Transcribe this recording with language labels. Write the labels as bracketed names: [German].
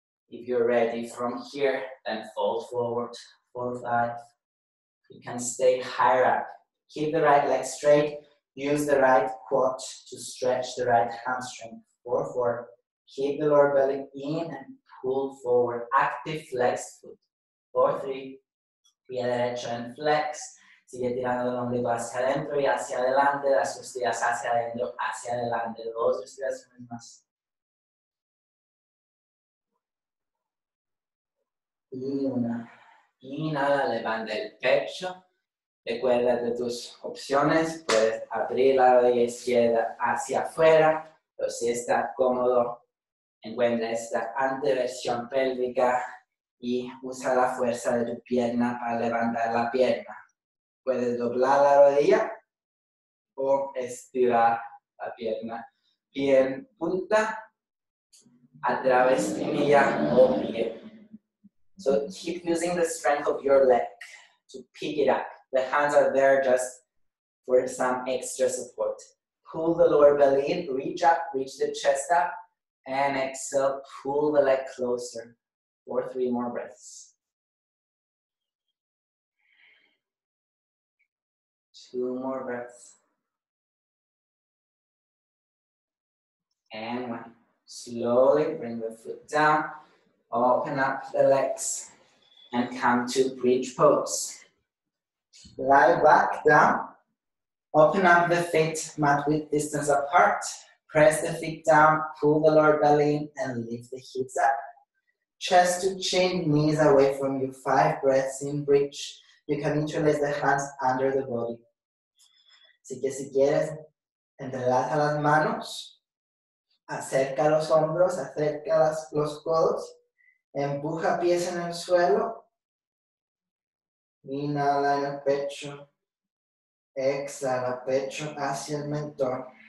[English] If you're ready from here, then fold forward, fold back. You can stay higher up. Keep the right leg straight. Use the right quad to stretch the right hamstring. Four, four. Keep the lower belly in and pull forward. Active flex foot. Four, three. [Spanish] Pie derecho [English] and flex. [Spanish] Sigue tirando el ombligo hacia adentro y hacia adelante. Las costillas hacia adentro, hacia adelante. Dos respiraciones más. Y una. Inhala, levanta el pecho. Recuerda de tus opciones, puedes abrir la rodilla izquierda hacia afuera, o si está cómodo, encuentra esta anteversión pélvica y usa la fuerza de tu pierna para levantar la pierna. Puedes doblar la rodilla o estirar la pierna bien punta a través de espinilla o pie. [English] So keep using the strength of your leg to pick it up. The hands are there just for some extra support. Pull the lower belly in, reach up, reach the chest up, and exhale, pull the leg closer. Four, three more breaths. Two more breaths. And one. Slowly bring the foot down, open up the legs, and come to bridge pose. Lie back down, open up the feet, mat width distance apart, press the feet down, pull the lower belly in and lift the hips up. Chest to chin, knees away from you, five breaths in bridge. You can interlace the hands under the body. [Spanish] Así que si quieres, entrelaza las manos, acerca los hombros, acerca los codos, empuja pies en el suelo. Inhala en el pecho, exhala pecho hacia el mentón.